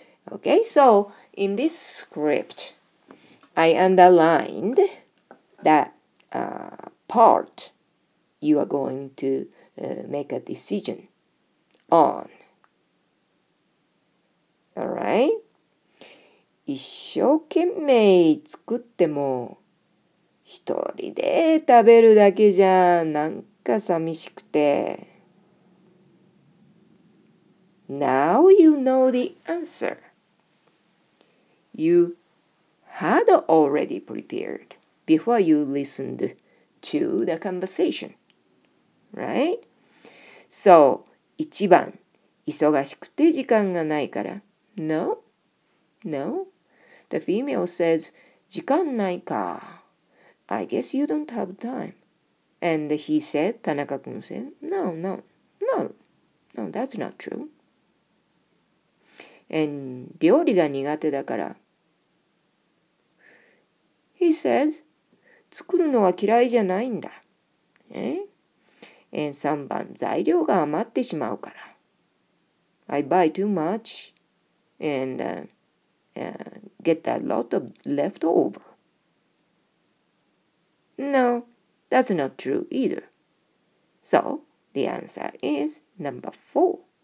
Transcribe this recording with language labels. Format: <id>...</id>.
<en>Okay, so in this script, I underlined that part you are going to make a decision on. All right?</en> <ja>一生懸命作っても一人で食べるだけじゃなんか寂しくて。</ja> <en>Now you know the answer. You had already prepared before you listened to the conversation, right? So,</en> <ja>一番、忙しくて時間がないから。</ja> <en>No, no. The female says, 時間ないか。 I guess you don't have time. And he said, 田中君 said, no, no, no, no, that's not true.</en> <ja>And 料理が苦手だから。</ja> <en>He says, 作るのは嫌いじゃないんだ。</en> <ja>And 3番、材料が余ってしまうから。</ja> <en>I buy too much and get a lot of leftover. No, that's not true either. So, the answer is number 4.</en>